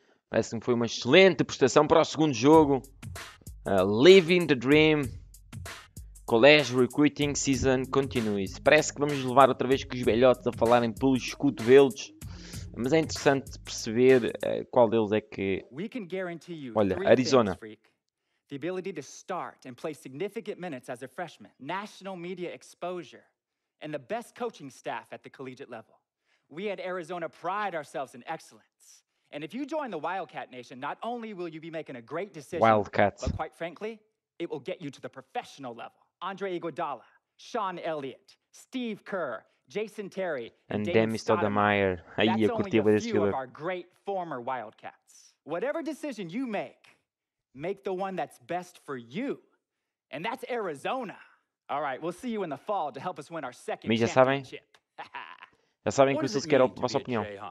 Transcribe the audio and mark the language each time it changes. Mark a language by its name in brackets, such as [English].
[Portuguese] Parece-me que foi uma excelente prestação para o segundo jogo. [English] Living the Dream College Recruiting Season Continues. [Portuguese] Parece que vamos levar outra vez com os velhotes a falarem pelos cotovelos, mas é interessante perceber qual deles é que. Olha, Arizona. [English] The ability to start and play significant minutes as a freshman, national media exposure, and the best coaching staff at the collegiate level. We at Arizona pride ourselves in excellence. And if you join the Wildcat Nation, not only will you be making a great decision, Wildcats. But quite frankly, it will get you to the professional level. Andre Iguodala, Sean Elliott, Steve Kerr, Jason Terry, and Demi Stoudemire. That's only a few of our great former Wildcats. Whatever decision you make, make the one that's best for you. And that's Arizona. All right, we'll see you in the fall to help us win our second championship. [Portuguese] Já sabem que vocês querem a vossa opinião.